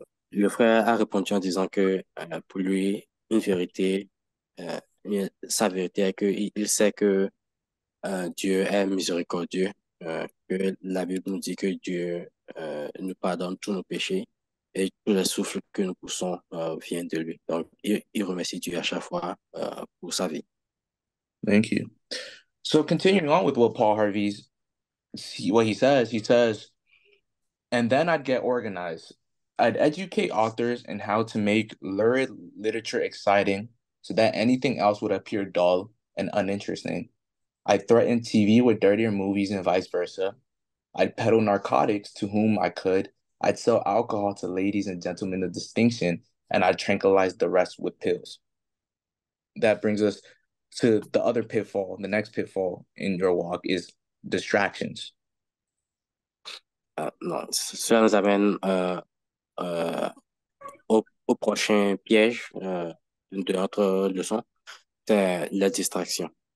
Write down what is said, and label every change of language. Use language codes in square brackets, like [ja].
[fr] Le frère a répondu en disant que pour lui, une vérité, sa vérité est qu'il sait que Dieu est miséricordieux, que la Bible nous dit que Dieu nous pardonne tous nos péchés et tout le souffle que nous poussons vient de lui. Donc, il remercie Dieu à chaque fois pour sa vie. [en] Thank you. So continuing on with what Paul Harvey's, what he says, and then I'd get organized. I'd educate authors in how to make lurid literature exciting so that anything else would appear dull and uninteresting. I'd threaten TV with dirtier movies and vice versa. I'd peddle narcotics to whom I could. I'd sell alcohol to ladies and gentlemen of distinction, and I'd tranquilize the rest with pills. That brings us to the other pitfall. The next pitfall in your walk is distractions. [fr] Non, cela nous amène au prochain piège de notre leçon, c'est la distraction.